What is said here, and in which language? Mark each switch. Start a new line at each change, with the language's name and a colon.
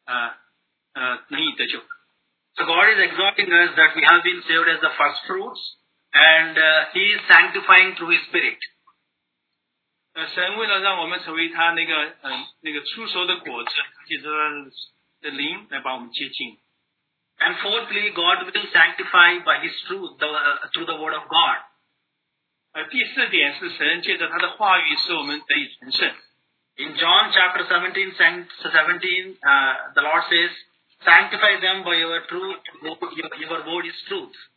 Chinese: 第13节讲到主所爱的弟兄们呢，我本该为你们感谢神，因为他从起初拣选了你们，叫你们因信真道，又被圣灵感动，得以成为圣洁。这里讲到说，因为圣灵而成为圣洁，得以能以得救。
English: So God is exhorting us that we have been saved as the first fruits, and He is sanctifying through His Spirit.
Chinese: 神为了让我们成为他那个初熟的果子，借着灵来把我们接近。
English: And fourthly, God will sanctify by His truth through the Word of God.
Chinese: 第四点是神借着他的话语使我们得以成圣。
English: In John chapter 17, the Lord says, sanctify them by your truth, your word is truth.